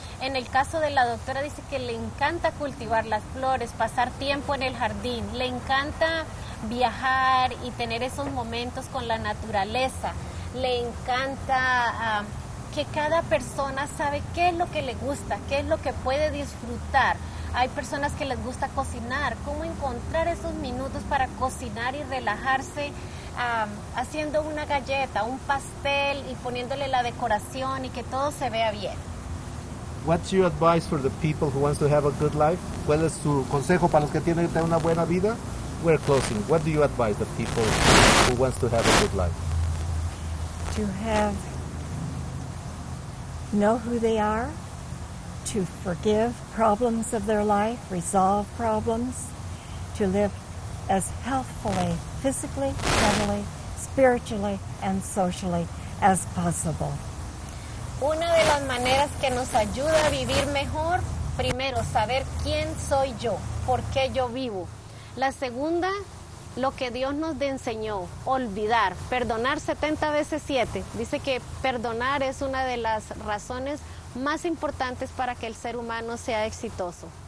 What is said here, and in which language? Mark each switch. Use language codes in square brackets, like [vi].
[es] En el caso de la doctora, dice que le encanta cultivar las flores, pasar tiempo en el jardín, le encanta viajar y tener esos momentos con la naturaleza, le encanta que cada persona sabe qué es lo que le gusta, qué es lo que puede disfrutar. Hay personas que les gusta cocinar, cómo encontrar esos minutos para cocinar y relajarse haciendo una galleta, un pastel y poniéndole la decoración y que todo se vea bien. [en] What's your advice for the people who wants to have a good life? [es] ¿Cuál es su consejo para los que tienen que tener una buena vida? [en] We're closing. What do you advise the people who wants to have a good life? To have, know who they are, to forgive problems of their life, resolve problems, to live as healthfully, physically, mentally, spiritually, and socially as possible. [es] Una de las maneras que nos ayuda a vivir mejor, primero, saber quién soy yo, por qué yo vivo. La segunda, lo que Dios nos enseñó, olvidar, perdonar 70 veces 7. Dice que perdonar es una de las razones más importantes para que el ser humano sea exitoso.